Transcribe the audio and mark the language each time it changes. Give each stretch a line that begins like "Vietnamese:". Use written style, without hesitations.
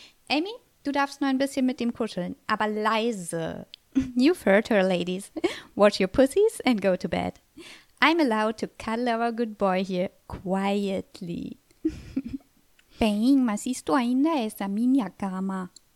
German: Amy, du darfst nur ein bisschen mit ihm kuscheln, aber leise.
English: You've heard her, ladies. Watch your pussies and go to bed. I'm allowed to cuddle our good boy here quietly.
Portuguese: Bem, mas isto ainda é a minha cama.